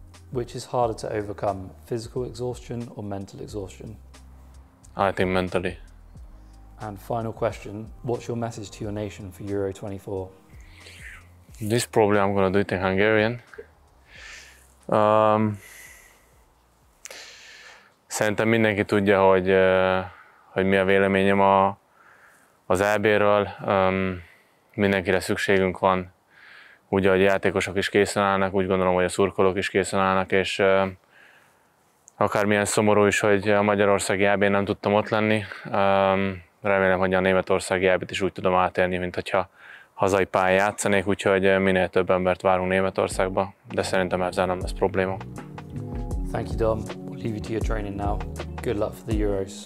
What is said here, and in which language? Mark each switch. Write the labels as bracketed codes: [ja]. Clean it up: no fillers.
[en] Which is harder to overcome, physical exhaustion or mental exhaustion? I think mentally. And final question, what's your message to your nation for Euro 24? This probably I'm gonna do it in Hungarian. [hu] Szerintem mindenki tudja, hogy mi a véleményem az EB-ről. Mindenkire szükségünk van. Úgy, ahogy játékosok is készen állnak, úgy gondolom, hogy a szurkolók is készen állnak, és akármilyen szomorú is, hogy a magyarországi EB-n nem tudtam ott lenni. Remélem, hogy a németországi EB-t is úgy tudom átélni, mint hogyha hazai pályán játszanék, úgyhogy minél több embert várunk Németországba, de szerintem ezzel nem lesz probléma. [en] Thank you, Dom. We'll leave you to your training now. Good luck for the Euros.